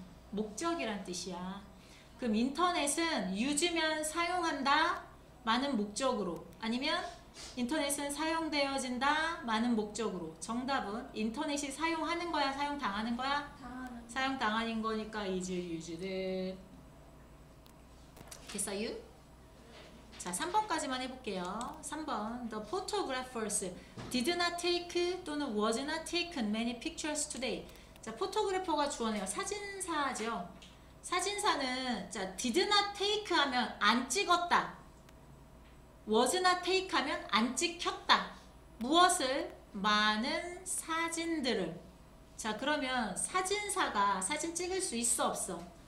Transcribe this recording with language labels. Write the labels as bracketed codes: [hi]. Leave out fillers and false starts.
[ko] 목적이란 뜻이야. 그럼 인터넷은 유지면 사용한다 많은 목적으로 아니면 인터넷은 사용되어진다 많은 목적으로. 정답은 인터넷이 사용하는 거야 사용당하는 거야? 당하는. 사용당하는 거니까 [en] is used. [ko] 됐어요? 자, 3번까지만 해볼게요. [en] 3번 the photographers did not take [ko] 또는 [en] was not taken many pictures today. [ko] 자, 포토그래퍼가 주어네요. 사진사죠. 사진사는 자, [en] did not take [ko] 하면 안 찍었다. [en] was not take [ko] 하면 안 찍혔다. 무엇을? 많은 사진들을. 자, 그러면 사진사가 사진 찍을 수 있어 없어?